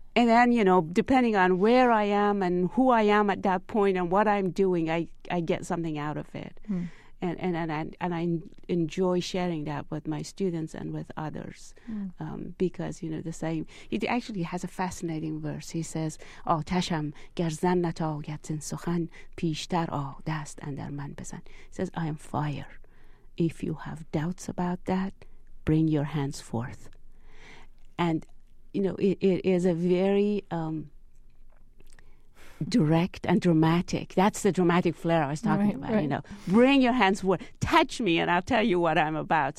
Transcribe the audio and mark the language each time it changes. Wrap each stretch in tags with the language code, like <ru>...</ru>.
<en>And then, you know, depending on where I am and who I am at that point and what I'm doing, I get something out of it. Hmm. And I enjoy sharing that with my students and with others because, you know, the same. It actually has a fascinating verse. He says,</en> <fa>آتشم گر زنت آید زن سخن پیشتر آ دست اندر من بزن.</fa> <en>He says, I am fire. If you have doubts about that, bring your hands forth. And, you know, it is a very direct and dramatic. That's the dramatic flair I was talking about. Right. You know, bring your hands forward, touch me, and I'll tell you what I'm about.</en>